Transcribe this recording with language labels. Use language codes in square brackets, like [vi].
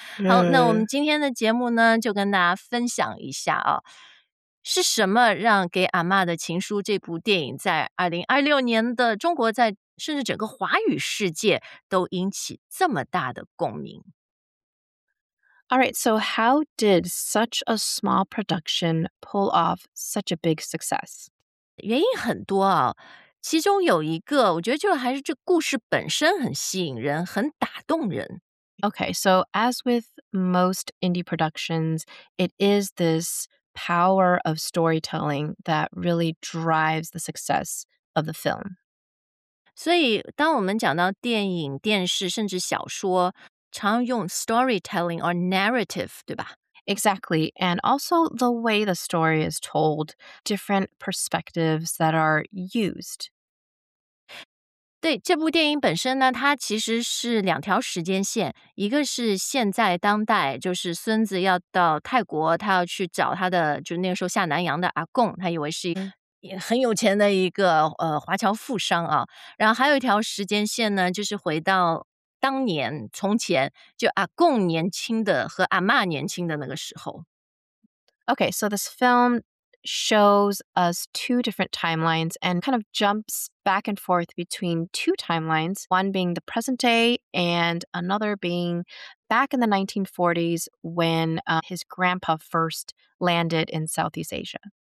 [zh] 好，那我们今天的节目呢，就跟大家分享一下啊，是什么让《给阿嬷的情书》这部电影在2026年的中国，在甚至整个华语世界都引起这么大的共鸣。 [en] All right, so how did such a small production pull off such a big success? [zh] 原因很多啊。其中有一个，我觉得就还是这故事本身很吸引人，很打动人。 [en] Okay, so as with most indie productions, it is this power of storytelling that really drives the success of the film. [zh] 所以当我们讲到电影、电视甚至小说，常用 storytelling or narrative, 对吧？ [en] Exactly, and also the way the story is told, different perspectives that are used. [zh] 对，这部电影本身呢，它其实是两条时间线，一个是现在当代，就是孙子要到泰国，他要去找他的，就那个时候下南洋的阿贡，他以为是很有钱的一个华侨富商啊。然后还有一条时间线呢，就是回到当年从前就阿贡年轻的和阿嬷年轻的那个时候。 [en] Okay, so this film shows us two different timelines and kind of jumps back and forth between two timelines, one being the present day and another being back in the 1940s when his grandpa first landed in Southeast Asia.